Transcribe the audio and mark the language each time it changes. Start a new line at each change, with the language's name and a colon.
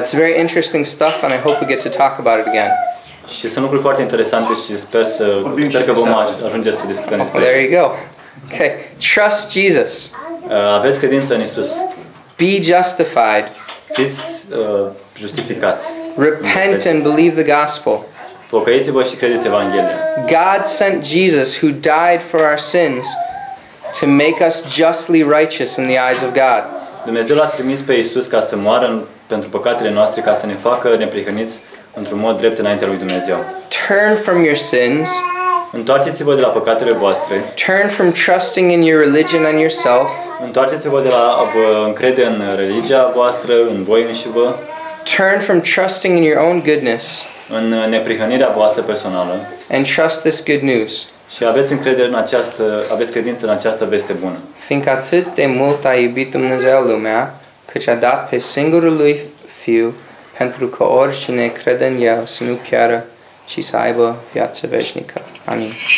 English: It's very interesting stuff and I hope we get to talk about it again.
Romanian: Și sunt lucruri foarte interesante și sper că vom ajunge să discutăm despre ele.
English: There you go. Okay. Trust Jesus.
Romanian: Aveți credință în Isus.
English: Be justified.
Romanian: Fiți justificați.
English: Repent and believe the gospel.
Romanian: Pocăiți-vă și credeți Evanghelia.
English: God sent Jesus who died for our sins to make us justly righteous in the eyes of God.
Romanian: Dumnezeu l-a trimis pe Iisus ca să moară pentru păcatele noastre, ca să ne facă neprihăniți într-un mod drept înaintea lui Dumnezeu.
English: Turn from your sins.
Romanian: Întoarceți-vă de la păcatele voastre.
English: Turn from trusting in your religion and yourself.
Romanian: Întoarceți-vă de la a vă încrede în religia voastră, în voi înșivă.
English: Turn from trusting in your own goodness.
Romanian: În neprihănirea voastră personală.
English: And trust this good news.
Romanian: Și aveți încredere în această, aveți credință în această veste bună. Fiindcă atât de mult a iubit Dumnezeu lumea, căci a dat pe singurul lui fiu, pentru că oricine crede în el să nu piară, ci să aibă viață veșnică. Amin.